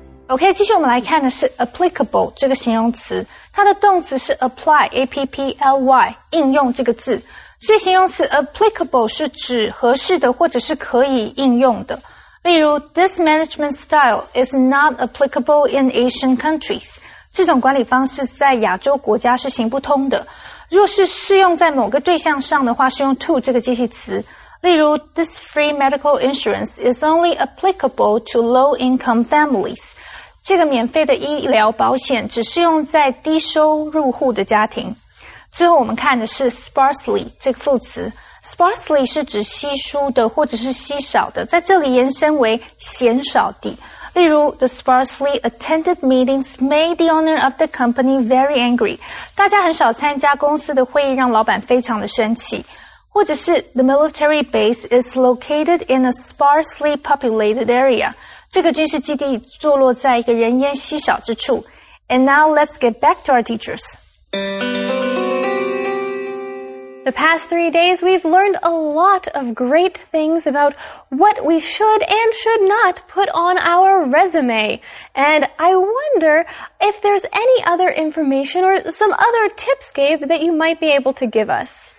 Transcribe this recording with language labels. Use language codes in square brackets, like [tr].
[zh] OK, 继续我们来看的是 applicable 这个形容词，它的动词是 apply, 应用这个字。所以形容词 applicable 是指合适的或者是可以应用的。例如 [en] ,this management style is not applicable in Asian countries. [zh] 这种管理方式在亚洲国家是行不通的。若是适用在某个对象上的话，是用 to 这个介系词。例如 [en] ,this free medical insurance is only applicable to low income families. [zh] 这个免费的医疗保险只适用在低收入户的家庭。最后我们看的是 sparsely 这个副词。sparsely 是指稀疏的或者是稀少的，在这里延伸为鲜少的。例如 [en] ,the sparsely attended meetings made the owner of the company very angry. [zh] 大家很少参加公司的会议让老板非常的生气。或者是 [en] ,the military base is located in a sparsely populated area. [zh] 这个军事基地坐落在一个人烟稀少之处。 [en] And now let's get back to our teachers. The past 3 days, we've learned a lot of great things about what we should and should not put on our resume. And I wonder if there's any other information or some other tips, Gabe, that you might be able to give us.